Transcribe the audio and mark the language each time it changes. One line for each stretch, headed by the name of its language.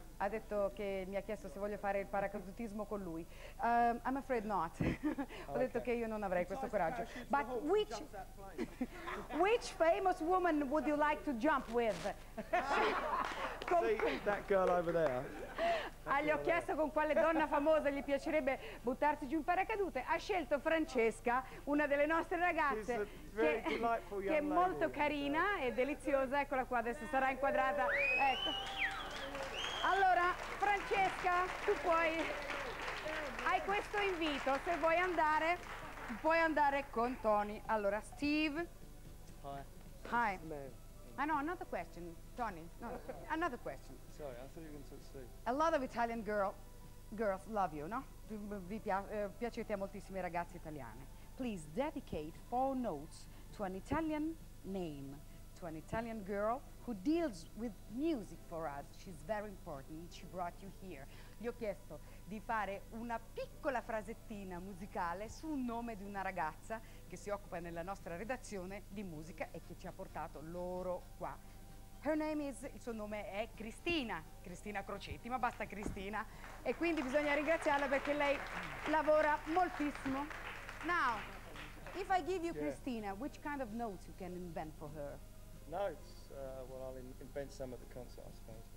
Italian: Ha detto che mi ha chiesto se voglio fare il paracadutismo con lui.
English: I'm afraid not.
Italian: Ho detto che io non avrei questo coraggio.
English: But which famous woman would you like to jump with? See, that girl over there.
Italian: Gli ho chiesto con quale donna famosa gli piacerebbe buttarsi giù in paracadute. Ha scelto Francesca, una delle nostre ragazze, che è molto carina e deliziosa. Eccola qua, adesso sarà inquadrata. Ecco. Allora, Francesca, tu puoi. Hai questo invito. Se vuoi andare, puoi andare con Tony. Allora, Steve.
English: Hi. I know, another question, Tony. No, another question. Sorry, I thought you were going to say. A lot of Italian girls love you, no?
Italian: Piacete a moltissime ragazze italiane.
English: Please dedicate 4 notes to an Italian name, to an Italian girl who deals with music for us. She's very important. She brought you here.
Italian: Gli ho chiesto di fare una piccola frasettina musicale su un nome di una ragazza che si occupa nella nostra redazione di musica e che ci ha portato loro qua. Il suo nome è Cristina Crocetti, ma basta Cristina. E quindi bisogna ringraziarla perché lei lavora moltissimo.
English: Now, if I give you Cristina, which kind of notes you can invent for her? Notes? I'll invent some at the concert, I suppose.